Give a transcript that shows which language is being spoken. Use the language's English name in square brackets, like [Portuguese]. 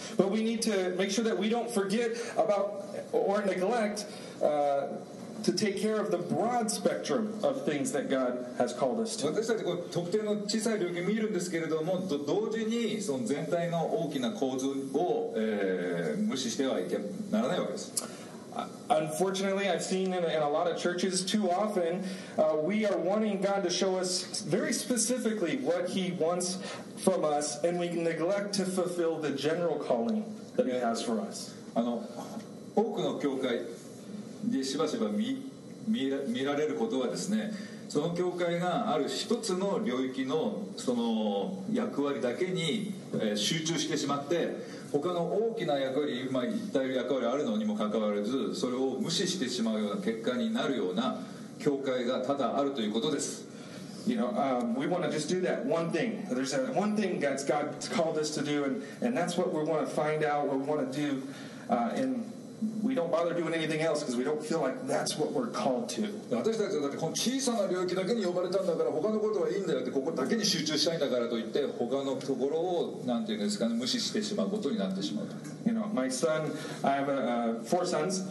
[English] But we need to make sure that we don't forget about or neglect to take care of the broad spectrum of things that God has called us to. [Japanese] 私たちこう特定の小さい領域を見るんですけれども、同時にその全体の大きな構図を無視してはいけならないわけです。 [English] Unfortunately, I've seen in a lot of churches too often, we are wanting God to show us very specifically what He wants from us, and we neglect to fulfill the general calling that He has for us. [Japanese] 多くの教会でしばしば見られることはですね、その教会がある一つの領域のその役割だけに集中してしまって、他の大きな役割、まあ、一体役割あるのにもかかわらず、それを無視してしまうような結果になるような教会が多々あるということです。 [English] You know, we want to just do that one thing. There's that one thing that God's called us to do, and that's what we want to find out, what we want to do, and we don't bother doing anything else because we don't feel like that's what we're called to. [Japanese] 私たちはだってこの小さな領域だけに呼ばれたんだから、他のことはいいんだよって、ここだけに集中したいんだからといって、他のところをなんていうんですかね、無視してしまうことになってしまうと。 [English] You know, my son, I have four sons.